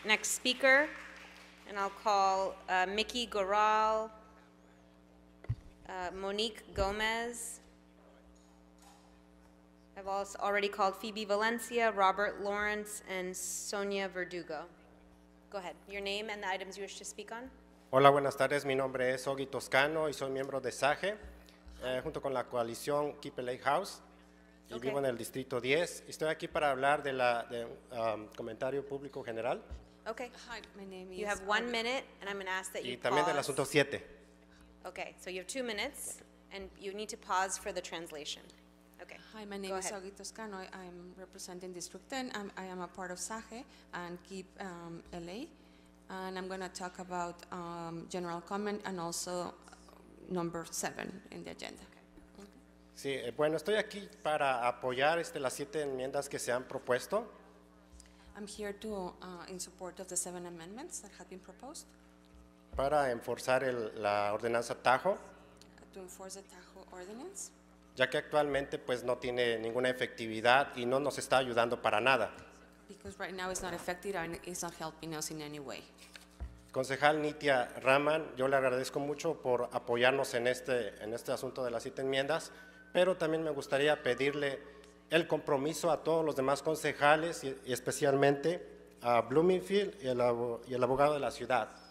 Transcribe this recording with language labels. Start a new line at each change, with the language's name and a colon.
English: Next speaker, and I'll call Mickey Goral, Monique Gomez. I've also already called Phoebe Valencia, Robert Lawrence, and Sonia Verdugo. Go ahead. Your name and the items you wish to speak on.
Spanish: Hola, buenas tardes. Mi nombre es Ogi Toscano y soy miembro de SAGE, junto con la coalición Keep LA House. Y okay. Vivo en el distrito 10. Estoy aquí para hablar de la de comentario público general.
English: Okay. Hi, my name is. You have 1 minute, and I'm going to ask that
Spanish: y
English: you.
Spanish: Y también
English: pause.
Spanish: Del asunto 7.
English: Okay, so you have 2 minutes, and you need to pause for the translation. Okay. Hi, my name is Ogi Toscano. I'm representing District 10. I am a part of SAGE and Keep LA, and I'm going to talk about general comment and also number 7 in the agenda.
Spanish: Sí, bueno, estoy aquí para apoyar las 7 enmiendas que se han propuesto.
English: I'm here to in support of the 7 amendments that have been proposed.
Spanish: Para enforzar la ordenanza Tajo.
English: To enforce the Tajo ordinance.
Spanish: Ya que actualmente pues no tiene ninguna efectividad y no nos está ayudando para nada.
English: Because right now it's not effective and it's not helping us in any way.
Spanish: Concejal Nitia Raman, yo le agradezco mucho por apoyarnos en este asunto de las 7 enmiendas. Pero también me gustaría pedirle el compromiso a todos los demás concejales y especialmente a Bloomingfield y el abogado de la ciudad.